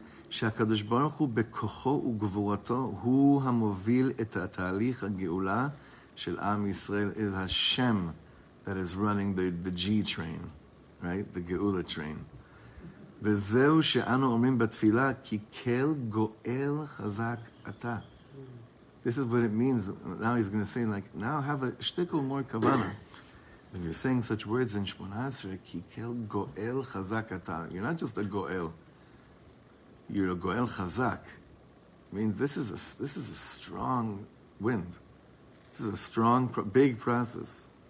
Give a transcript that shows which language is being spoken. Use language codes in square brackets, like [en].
[he] שהקדוש ברוך הוא בכוחו וגבורתו הוא המוביל את התהליך הגאולה של עם ישראל. [en] It is Hashem that is running the G train, right? The Geula train. [he] וזהו שאנו אומרים בתפילה, כי כל גואל חזק אתה. [en] This is what it means. Now he's going to say, like, now have a shtickle more kavana. When you're saying such words in 18, [he] כי כל גואל חזק אתה. [en] You're not just a גואל. You're a goel chazak. I mean, this is a strong wind. This is a strong, big process.